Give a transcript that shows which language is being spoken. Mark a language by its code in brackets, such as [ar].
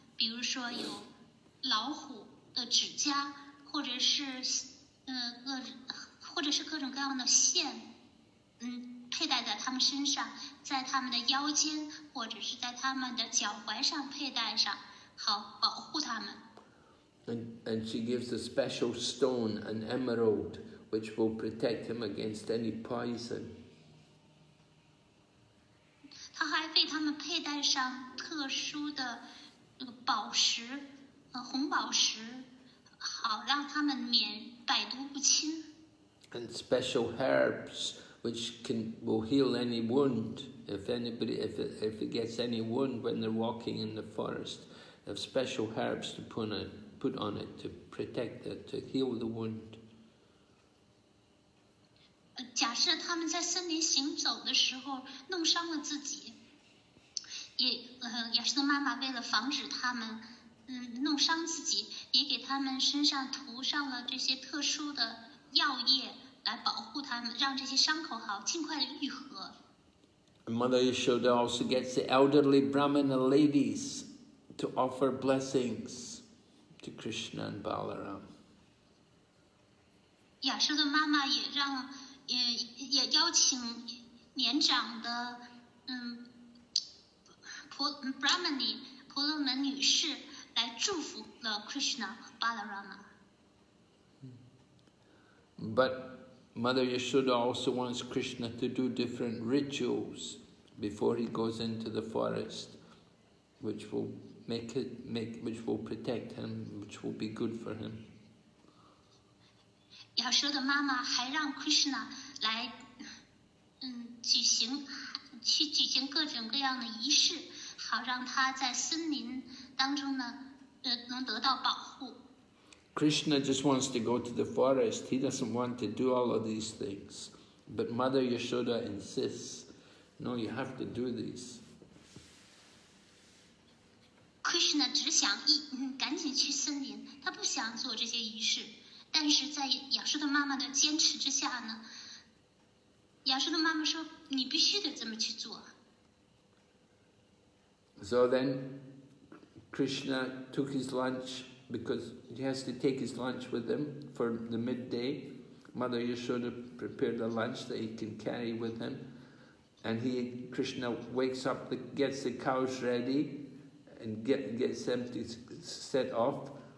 [zh] 比如说有老虎的指甲，或者是各种各样的线，佩戴在他们身上，在他们的腰间，或者是在他们的脚踝上佩戴上，好保护他们。 [en] And she gives a special stone, an emerald, which will protect him against any poison. [zh] 他还为他们佩戴上特殊的宝石，红宝石，好让他们免百毒不侵。 [en] And special herbs which will heal any wound if it gets any wound when they're walking in the forest. They have special herbs to put on it to protect it, to heal the wound. [zh] 假设他们在森林行走的时候弄伤了自己。也是妈妈为了防止他们弄伤自己，也给他们身上涂上了这些特殊的药液来保护他们，让这些伤口好尽快的愈合。 [en] Mother Yashoda also gets the elderly Brahmin ladies to offer blessings to Krishna and Balaram. [zh] 亚瑟的妈妈也让也邀请年长的Brahmani 婆罗门女士来祝福了 Krishna 和 Balarama. [en] But Mother Yashoda also wants Krishna to do different rituals before he goes into the forest, which will protect him, which will be good for him. [zh] Yashoda 妈妈还让 Krishna 来举行各种各样的仪式。好让他在森林当中呢，能得到保护。 [en] Krishna just wants to go to the forest. He doesn't want to do all of these things. But Mother Yashoda insists, no, you have to do these. [zh] Krishna 只想赶紧去森林，他不想做这些仪式。但是在亚瑟的妈妈的坚持之下呢，亚瑟的妈妈说，你必须得这么去做。 [en] So then Krishna took his lunch, because he has to take his lunch with him for the midday. Mother Yashoda prepared the lunch that he can carry with him. And Krishna wakes up, gets the cows ready and gets them to set off.